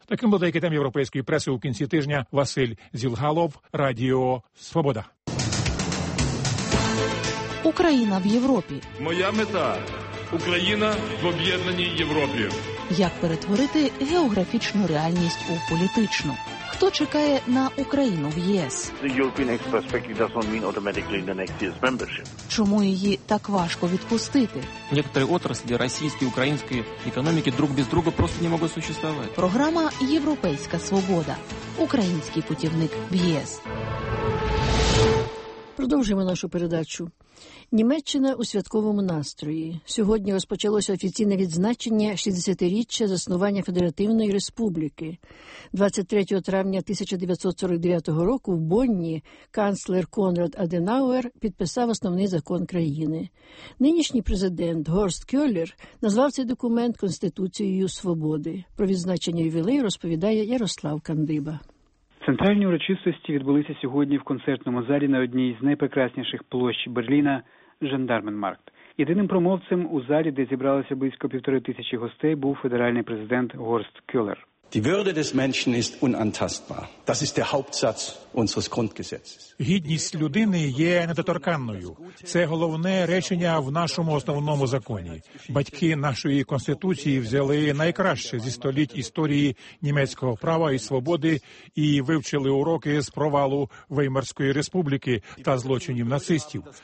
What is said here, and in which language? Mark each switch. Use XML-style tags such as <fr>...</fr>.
<uk>Таким був деякий тем європейської преси у кінці тижня. Василь Зілгалов, Радіо Свобода. Україна в Європі. Моя мета – Україна в об'єднаній Європі. Як перетворити географічну реальність у політичну? Хто чекає на Україну в ЄС?</uk> <en>The European Next Perspective doesn't mean automatically the next year's membership.</en> <uk>Чому її так важко відпустити?</uk> <ru>Некоторі отраслі російської, української економіки друг без друга просто не можуть существовать.</ru> <uk>Програма «Європейська свобода». Український путівник в ЄС. Продовжуємо нашу передачу. Німеччина у святковому настрої. Сьогодні розпочалося офіційне відзначення 60-річчя заснування Федеративної Республіки. 23 травня 1949 року в Бонні канцлер Конрад Аденауер підписав основний закон країни. Нинішній президент Горст Кьолер назвав цей документ Конституцією свободи. Про відзначення ювілею розповідає Ярослав Кандиба. Центральні урочистості відбулися сьогодні в концертному залі на одній з найпрекрасніших площ Берліна – Жандарменмаркт. Єдиним промовцем у залі, де зібралося близько 1500 гостей, був федеральний президент Горст Кьолер.</uk> <de>Die Würde des Menschen ist unantastbar. Das ist der Hauptsatz unseres Grundgesetzes.</de> <uk>Гідність людини є недоторканною. Це головне речення в нашому основному законі. Батьки нашої конституції взяли найкраще зі століть історії німецького права і свободи і вивчили уроки з провалу Веймарської республіки та злочинів нацистів.</uk>